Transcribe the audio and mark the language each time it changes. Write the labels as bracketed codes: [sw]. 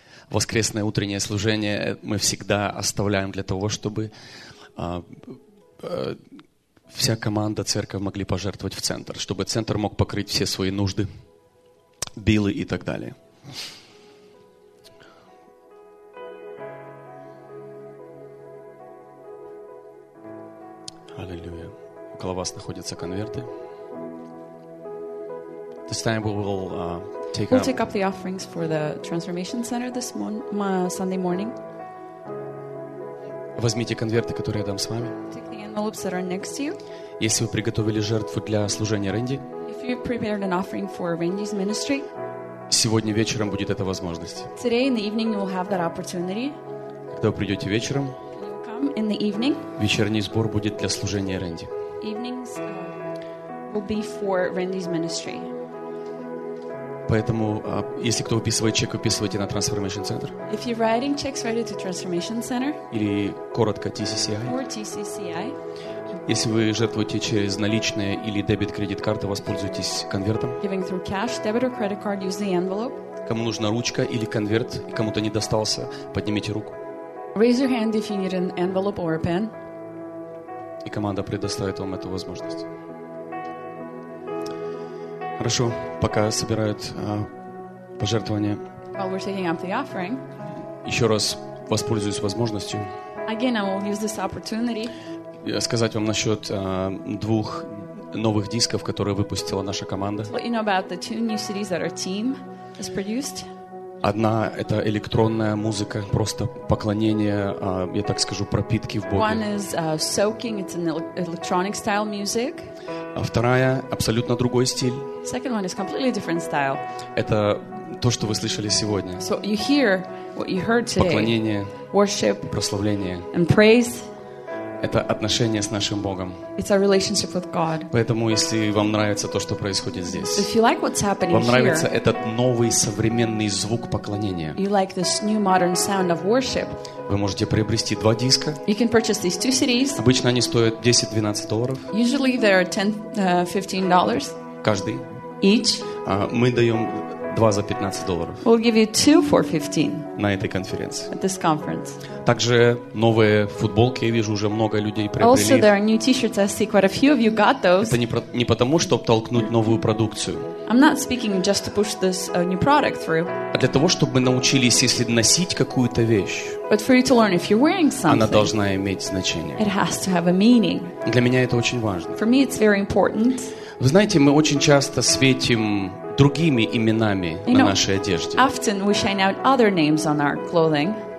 [ru] Воскресное утреннее служение мы всегда оставляем для того, чтобы вся команда церкви могли пожертвовать в центр, чтобы центр мог покрыть все свои нужды, билы и так далее. Аллилуйя. Около вас находятся конверты. [en] This time we will take up the offerings for the Transformation Center this Sunday morning. [ru] Возьмите конверты, которые я дам с вами. [en] Take the envelopes that are next to you. [ru] Если вы приготовили жертву для служения Рэнди, [en] if you prepared an offering for Randy's ministry, [ru] сегодня вечером будет эта возможность. [en] Today in the evening you will have that opportunity. [ru] Когда вы придете вечером, [en] you will come in the evening. [ru] Вечерний сбор будет для служения Рэнди. [en] Evenings will be for Randy's ministry. [ru] Поэтому, если кто выписывает чек, выписывайте на Transformation Center. [en] If you're writing checks, write it to Transformation Center. [ru] Или коротко TCCI. [en] Or TCCI. [ru] Если вы жертвуете через наличные или дебет-кредит карты, воспользуйтесь конвертом. [en] Giving through cash, debit or credit card, use the envelope. [ru] Кому нужна ручка или конверт, и кому-то не достался, поднимите руку. [en] Raise your hand if you need an envelope or a pen. [ru] И команда предоставит вам эту возможность. Хорошо, пока собирают пожертвования. [en] While we're taking up the offering, [ru] еще раз воспользуюсь возможностью. [en] Again, I will use this opportunity. [ru] Сказать вам насчет двух новых дисков, которые выпустила наша команда. [en] To let you know about the two new CDs that our team has produced. [ru] Одна — это электронная музыка, просто поклонение, я так скажу, пропитки в Боге. [en] One is soaking, it's an electronic style music. [ru] А вторая — абсолютно другой стиль. [en] Second one is completely different style. [ru] Это то, что вы слышали сегодня. [en] So you hear what you heard today. [ru] Поклонение, [en] worship, [ru] прославление. [en] And praise. [ru] Это отношение с нашим Богом. [en] It's our relationship with God. [ru] Поэтому, если вам нравится то, что происходит здесь, [en] if you like what's happening [ru] вам нравится [en] here, [ru] этот новый современный звук поклонения, [en] you like this new modern sound of worship, [ru] вы можете приобрести два диска. [en] You can purchase these two CDs. [ru] Обычно они стоят 10-12 долларов. [en] Usually they are $10-$15. [ru] Каждый. [en] Each. [ru] Мы даем два за 15 долларов. [en] We'll give you two for 15. [ru] На этой конференции. [en] At this conference. [ru] Также новые футболки, я вижу, уже много людей приобрели. [en] Also, there are new t-shirts. I see quite a few of you got those. [ru] Это не потому, чтобы толкнуть новую продукцию. [en] I'm not speaking just to push this new product through. [ru] А для того, чтобы мы научились, если носить какую-то вещь, [en] but for you to learn, if you're wearing something, [ru] она должна иметь значение. [en] It has to have a meaning. [ru] Для меня это очень важно. [en] For me, it's very important. [ru] Вы знаете, мы очень часто светим другими именами на нашей одежде. [en] Often we shine out other names on our clothing.